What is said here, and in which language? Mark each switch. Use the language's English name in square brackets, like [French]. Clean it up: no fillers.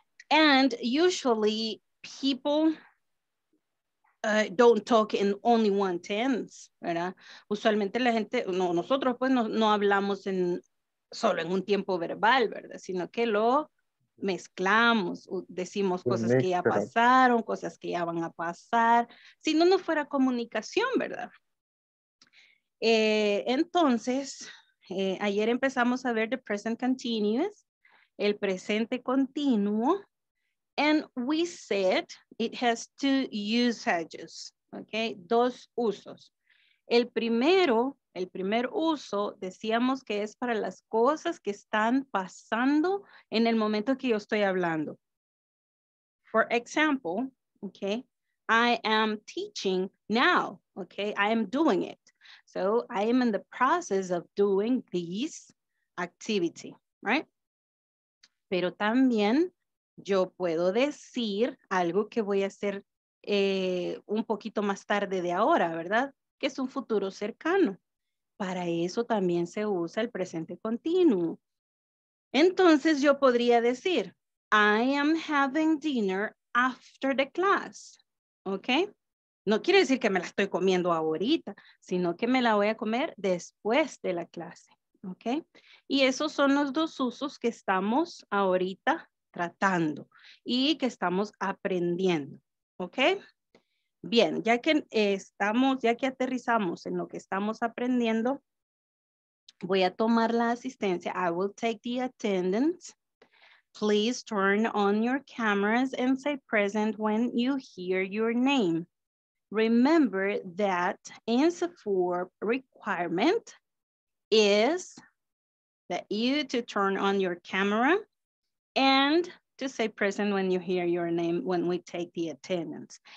[English] And usually people don't talk in only one tense, [Spanish] ¿verdad? Usualmente la gente, no, nosotros pues no hablamos en solo en un tiempo verbal, ¿verdad? Sino que lo mezclamos, decimos cosas que ya pasaron, cosas que ya van a pasar, si no, no fuera comunicación, ¿verdad? Entonces, ayer empezamos a ver [English] the present continuous, [Spanish] el presente continuo, [English] and we said it has two usages, okay? [Spanish] Dos usos. El primer uso, decíamos que es para las cosas que están pasando en el momento que yo estoy hablando. [English] For example, okay, I am teaching now, okay? I am doing it. So I am in the process of doing this activity, right? [Spanish] Pero también yo puedo decir algo que voy a hacer un poquito más tarde de ahora, ¿verdad? Que es un futuro cercano. Para eso también se usa el presente continuo. Entonces yo podría decir, [English] I am having dinner after the class. ¿Ok? [Spanish] No quiere decir que me la estoy comiendo ahorita, sino que me la voy a comer después de la clase. ¿Ok? Y esos son los dos usos que estamos ahorita tratando y que estamos aprendiendo. ¿Ok? Bien, ya que aterrizamos en lo que estamos aprendiendo, voy a tomar la asistencia. [English] I will take the attendance. Please turn on your cameras and say present when you hear your name. Remember that INSAFORP requirement is that you to turn on your camera and to say present when you hear your name when we take the attendance.